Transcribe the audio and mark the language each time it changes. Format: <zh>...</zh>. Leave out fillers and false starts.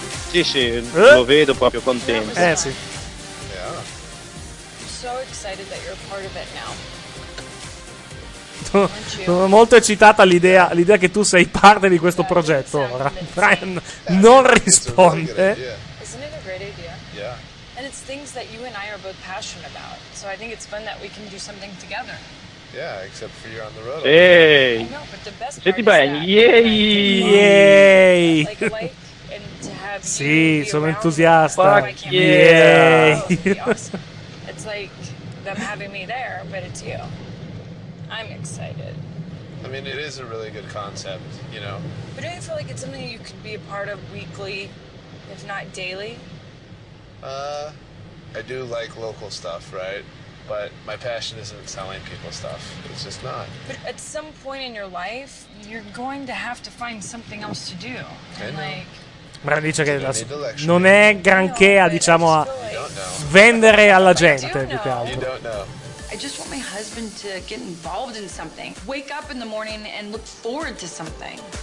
<it>Sì, sì, lo vedo proprio contento. Eh sì. Sono molto eccitata l'idea che tu sei parte di questo progetto. Ora Brian non risponde.</it> <en>And it's things that you and I are both passionate about. So I think it's fun that we can do something together. Yeah, except for you're on the road. Hey! I know, but the best part is that. Yay!</en> <it>Yay! Sì, sono entusiasta. Yay!</it> <en>It's like them having me there, but it's you. I'm excited. I mean, it is a really good concept, you know. But don't you feel like it's something you could be a part of weekly, if not daily? I do like local stuff, right? But my passion isn't selling people stuff. It's just not. But at some point in your life, you're going to have to find something else to do. And like,</en> <it>Brian dice che non è granché a, diciamo, a vendere alla gente, più che altro.</it> <en>I just want my husband to get involved in something. Wake up in the morning and look forward to something.</en>